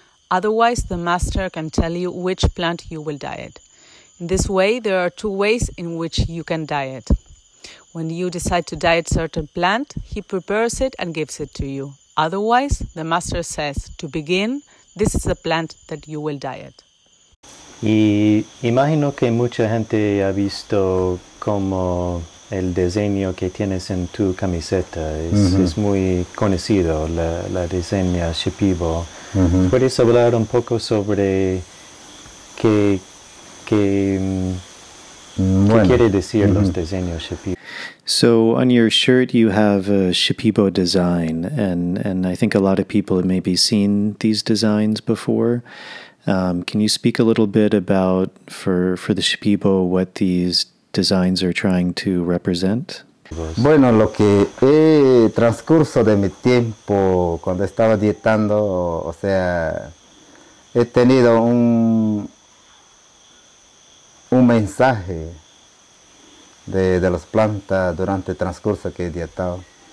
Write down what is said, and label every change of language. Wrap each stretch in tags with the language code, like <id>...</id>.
<en>Otherwise, the master can tell you which plant you will diet. In this way, there are two ways in which you can diet. When you decide to diet certain plant, he prepares it and gives it to you. Otherwise, the master says, to begin, this is the plant that you will diet.</en> <es>Y imagino que mucha gente ha visto como el diseño que tienes en tu camiseta es, uh-huh. es muy conocido, la diseña Shipibo. Uh-huh. ¿Puedes hablar un poco sobre qué quiere decir uh-huh. los diseños Shipibo?</es> <en>So on your shirt you have a Shipibo design, and I think a lot of people have maybe seen these designs before. Can you speak a little bit about for the Shipibo what these designs are trying to represent?</en> <es>Bueno, lo que he transcurso de mi tiempo cuando estaba dietando, o sea, he tenido un mensaje de las plantas durante el transcurso que he dietado.</es>